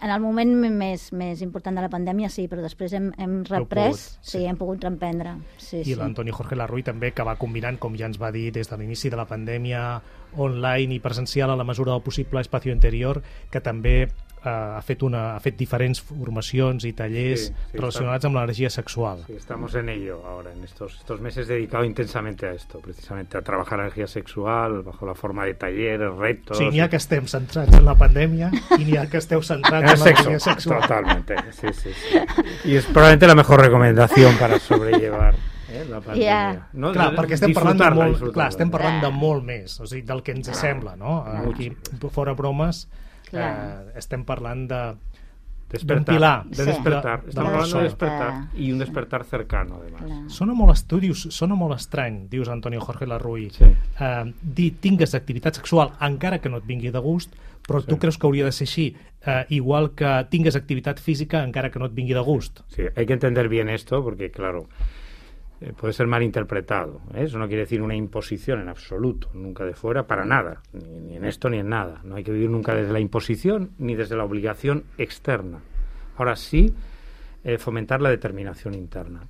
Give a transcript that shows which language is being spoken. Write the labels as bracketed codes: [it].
[ca] En el moment més important de la pandèmia, sí, però després hem reprès, hem pogut reprendre. I l'Antoni Jorge Larruy també, que va combinant, com ja ens va dir, des de l'inici de la pandèmia, online i presencial a la mesura del possible, Espacio Interior, que també ha fet diferents formacions i tallers relacionats amb l'energia sexual. [es] Sí, estamos en ello ahora, en estos meses dedicado intensamente a esto, precisamente a trabajar energía sexual bajo la forma de talleres, retos... [ca] Sí, n'hi ha que estem centrats en la pandèmia i n'hi ha que esteu centrats en l'energia sexual. [es] Totalmente, sí. Y es probablemente la mejor recomendación para sobrellevar la pandèmia. [en] Yeah. [ca] No, clar, perquè estem parlant de molt, de molt més, o sigui, del que ens sembla, no? Aquí, fora bromes, estem parlant de despertar, pilar, de despertar. Estem parlant de despertar i un despertar [es] cercano, además. [ca] Sona molt estrany, dius Antonio Jorge Larruy. Sí. Tingues activitat sexual, encara que no et vingui de gust, però tu creus que hauria de ser així, igual que tingues activitat física, encara que no et vingui de gust. [es] Sí, hay que entender bien esto, porque claro, puede ser mal interpretado, ¿eh? Eso no quiere decir una imposición en absoluto, nunca de fuera, para nada, ni en esto ni en nada. No hay que vivir nunca desde la imposición ni desde la obligación externa. Ahora sí, fomentar la determinación interna.